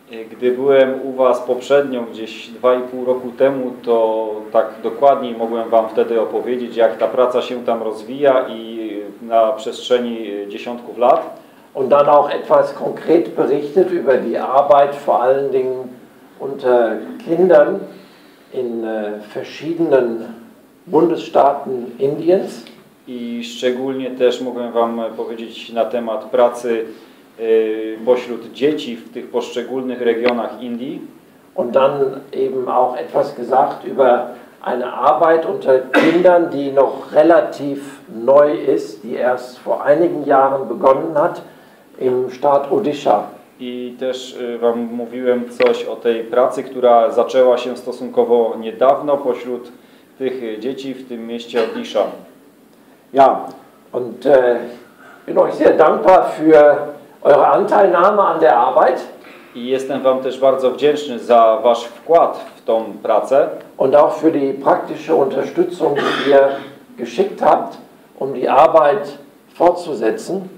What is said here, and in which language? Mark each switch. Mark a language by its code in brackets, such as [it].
[pl] Gdy byłem u Was poprzednio, gdzieś 2,5 roku temu, to tak dokładniej mogłem Wam wtedy opowiedzieć, jak ta praca się tam rozwija i na przestrzeni dziesiątków lat. [de] Und dann auch etwas konkret berichtet über die Arbeit vor allen Dingen unter Kindern in verschiedenen Bundesstaaten Indiens. [pl] I szczególnie też mogłem Wam powiedzieć na temat pracy pośród dzieci w tych poszczególnych regionach Indii. [de] Und dann eben auch etwas gesagt über eine Arbeit unter Kindern, die noch relativ neu ist, die erst vor einigen Jahren begonnen hat. Im Staat Odisha. [pl] I też Wam mówiłem coś o tej pracy, która zaczęła się stosunkowo niedawno pośród tych dzieci w tym mieście Odisha. [de] Ja, und bin euch sehr dankbar für eure Anteilnahme an der Arbeit. [pl] I jestem Wam też bardzo wdzięczny za Wasz wkład w tą pracę. [de] Und auch für die praktische Unterstützung, die ihr geschickt habt, um die Arbeit fortzusetzen.